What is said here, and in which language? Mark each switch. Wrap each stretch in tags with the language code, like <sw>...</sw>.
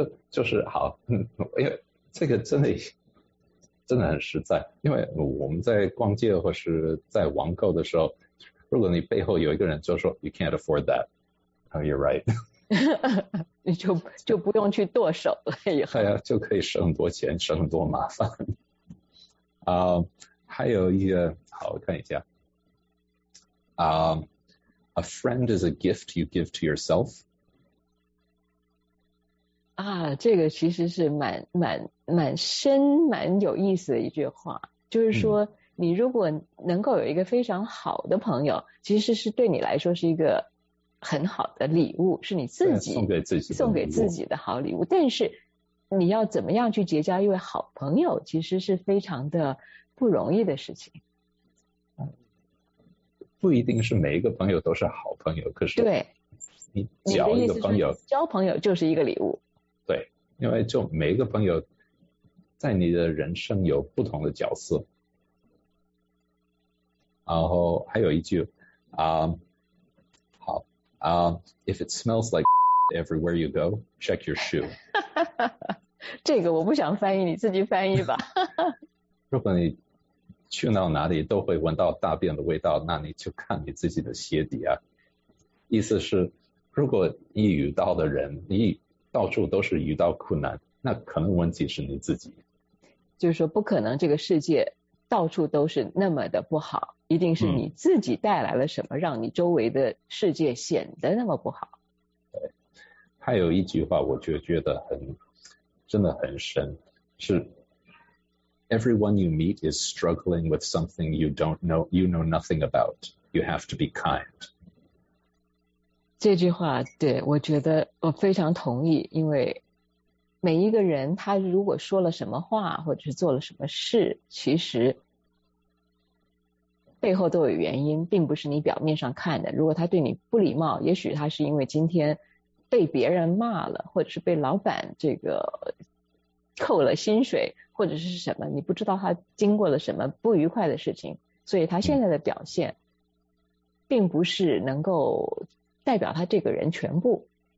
<zh>就是好，因为这个真的很实在，因为我们在逛街或是在网购的时候，如果你背后有一个人就说</zh> <en>You can't afford that, you're right.</en> <zh>你就不用去剁手了以后。对啊，就可以省很多钱，省很多麻烦。还有一个，好，我看一下。</zh> <en>A friend is a gift you give to yourself.</en> <zh>这个其实是蛮蛮深蛮有意思的一句话，就是说你如果能够有一个非常好的朋友，其实是对你来说是一个很好的礼物，是你自己送给自己送给自己的好礼物。但是你要怎么样去结交一位好朋友，其实是非常的不容易的事情。不一定是每一个朋友都是好朋友，可是对，你交一个朋友，交朋友就是一个礼物。对，因为就每一个朋友在你的人生有不同的角色。然后还有一句啊。</zh> <en>If it smells like everywhere you go, check your shoe.</en> <zh>这个我不想翻译，你自己翻译吧。如果你去到哪里都会闻到大便的味道，那你就看你自己的鞋底啊。意思是，如果你遇到的人，你到处都是遇到困难，那可能问题是你自己。就是说，不可能这个世界到处都是那么的不好。一定是你自己带来了什么，让你周围的世界显得那么不好。对，还有一句话我就觉得很真的很深，是</zh> <en>Everyone you meet is struggling with something you don't know, you know nothing about. You have to be kind.</en> <zh>这句话，对，我觉得我非常同意，因为每一个人他如果说了什么话或者是做了什么事，其实背后都有原因，并不是你表面上看的。如果他对你不礼貌，也许他是因为今天被别人骂了，或者是被老板这个扣了薪水，或者是什么，你不知道他经过了什么不愉快的事情，所以他现在的表现并不是能够代表他这个人全部。</zh>